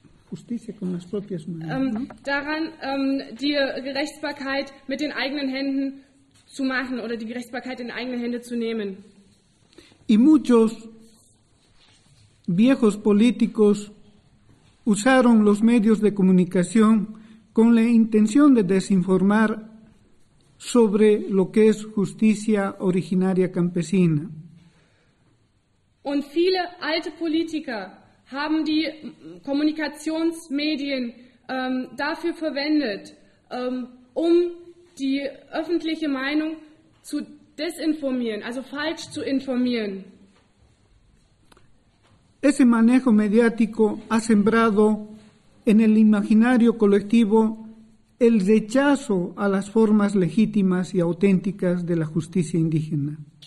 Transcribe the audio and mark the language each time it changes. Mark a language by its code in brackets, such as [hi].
[es] Justicia con las propias manos, [de] daran die Gerechtigkeit mit den eigenen Händen zu machen oder die Gerechtigkeit in eigene Hände zu nehmen. [es] Y muchos viejos políticos usaron los medios de comunicación con la intención de desinformar sobre lo que es justicia originaria campesina. [de] Und viele alte Politiker haben die Kommunikationsmedien dafür verwendet, um die öffentliche Meinung zu desinformieren, also falsch zu informieren. [es] Ese manejo mediático ha sembrado en el imaginario colectivo el rechazo a las formas legítimas y auténticas de la justicia indígena.